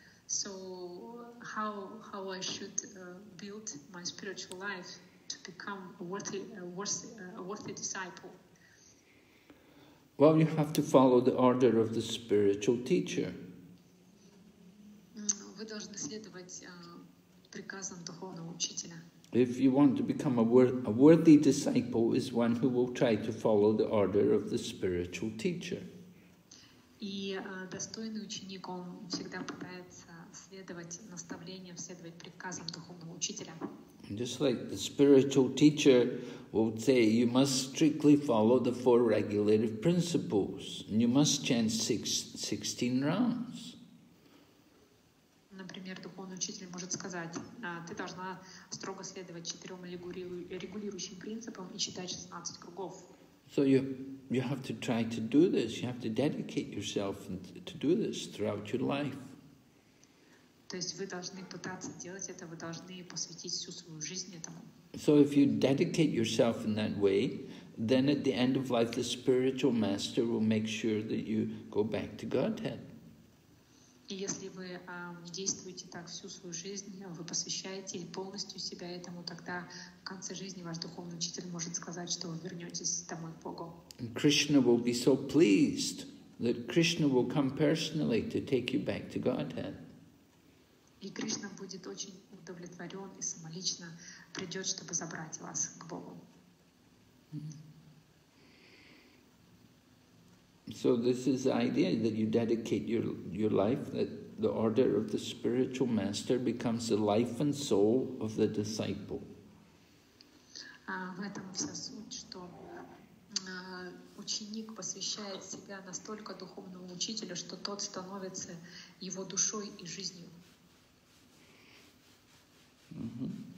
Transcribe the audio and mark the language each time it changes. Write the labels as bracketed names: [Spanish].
[English] So how I should build my spiritual life to become a worthy disciple? Well, you have to follow the order of the spiritual teacher. [Russian] Вы должны следовать приказам духовного учителя. [English] If you want to become a worthy disciple, is one who will try to follow the order of the spiritual teacher. [Russian] И достойный ученик, он всегда пытается следовать наставлениям, следовать приказам духовного учителя. [English] Just like the spiritual teacher will say, you must strictly follow the four regulative principles, and you must chant 16 rounds. [Russian] Например, духовный учитель может сказать, ты должна строго следовать четырем регулирующим принципам и читать 16 кругов. [English] So you have to try to do this. You have to dedicate yourself to do this throughout your life. [Russian] То есть вы должны пытаться делать это. Вы должны посвятить всю свою жизнь этому. [English] So if you dedicate yourself in that way, then at the end of life, the spiritual master will make sure that you go back to Godhead. [Russian] И если вы действуете так всю свою жизнь, вы посвящаете полностью себя этому, тогда в конце жизни ваш духовный учитель может сказать, что вы вернетесь домой к Богу. [English] And Krishna will be so pleased that Krishna will come personally to take you back to Godhead. [Russian] И Кришна будет очень удовлетворен и самолично придет, чтобы забрать вас к Богу. [English] So this is the idea that you dedicate your life, that the order of the spiritual master becomes the life and soul of the disciple. [Russian] В этом вся суть, что ученик посвящает себя настолько духовному учителю, что тот становится его душой и жизнью. Mm-hmm.